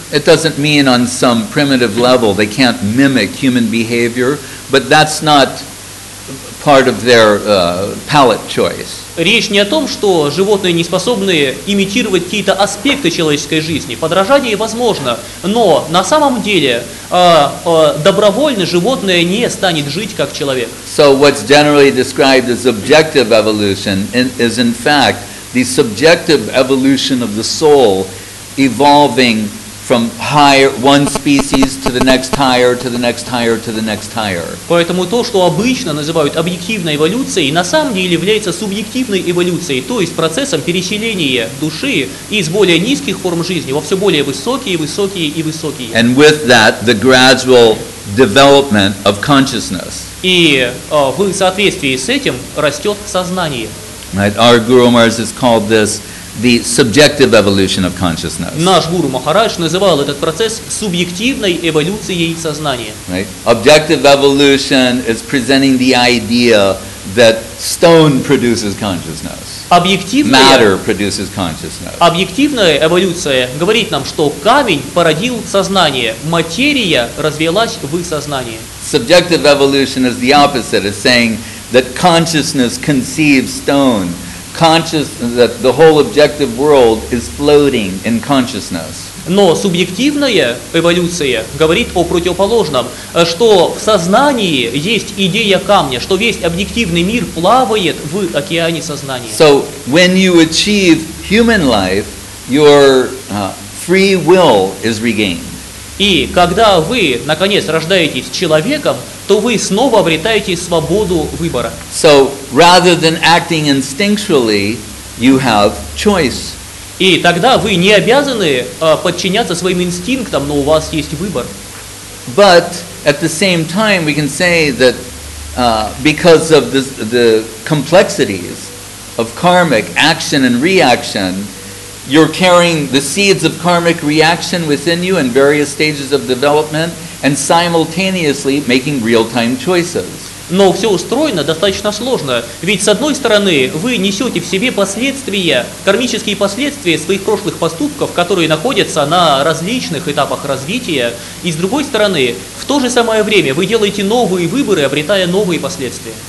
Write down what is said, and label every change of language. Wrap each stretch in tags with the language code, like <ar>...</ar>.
<en>It doesn't mean on some primitive level they can't mimic human behavior, but that's not part of their palate choice.</en> <ru>Речь не о том, что животные не способны имитировать какие-то аспекты человеческой жизни. Подражание возможно, но на самом деле добровольно животное не станет жить как человек.</ru> <en>So what's generally described as objective evolution is in fact the subjective evolution of the soul evolving from higher one species to the next higher to the next higher to the next higher.</en> <ru>Поэтому то, что обычно называют объективной эволюцией, на самом деле является субъективной эволюцией, то есть процессом переселения души из более низких форм жизни во все более высокие, высокие и высокие.</ru> <en>And with that, the gradual development of consciousness.</en> <ru>И в соответствии с этим растет сознание.</ru> <en>Right, our Guru Maharaj has called this the subjective evolution of consciousness.</en> <ru>Наш гуру Махарадж называл этот процесс субъективной эволюцией сознания.</ru> <en>Right? Objective evolution is presenting the idea that stone produces consciousness. Matter produces consciousness.</en> <ru>Объективная эволюция говорит нам, что камень породил сознание, материя развелась в сознании.</ru> <en>Subjective evolution is the opposite. It's saying that consciousness conceives stone. Consciousness that the whole objective world is floating in consciousness.</en> <ru>Но субъективная эволюция говорит о противоположном, что в сознании есть идея камня, что весь объективный мир плавает в океане сознания.</ru> <en>So when you achieve human life, your free will is regained.</en> <ru>И когда вы наконец рождаетесь человеком, то вы снова обретаете свободу выбора.</ru> <en>So, rather than acting instinctually, you have choice.</en> <ru>И тогда вы не обязаны подчиняться своим инстинктам, но у вас есть выбор.</ru> <en>But at the same time, we can say that because of the complexities of karmic action and reaction, you're carrying the seeds of karmic reaction within you in various stages of development, and simultaneously making real-time choices.</en> <ru>Но все устроено достаточно сложно. Ведь с одной стороны, вы несете в себе последствия, кармические последствия своих прошлых поступков, которые находятся на различных этапах развития. И с другой стороны, в то же самое время вы делаете новые выборы, обретая новые последствия.</ru>